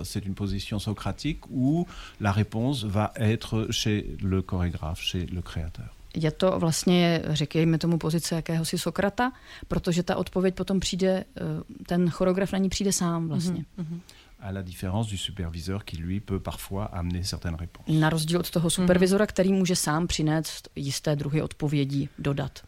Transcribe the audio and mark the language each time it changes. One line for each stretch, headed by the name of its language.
French: C'est une position socratique où la réponse va être chez le chorégraphe, chez le créateur.
Czech: Je to vlastně, řekněme tomu, pozice jakéhosi Sokrata, protože ta odpověď potom přijde, ten choreograf na ní přijde sám vlastně. Mm-hmm.
French: À la différence du superviseur qui lui peut parfois amener certaines réponses.
Czech: Na rozdíl od toho supervizora, který může sám přinést jisté druhy odpovědí, dodat.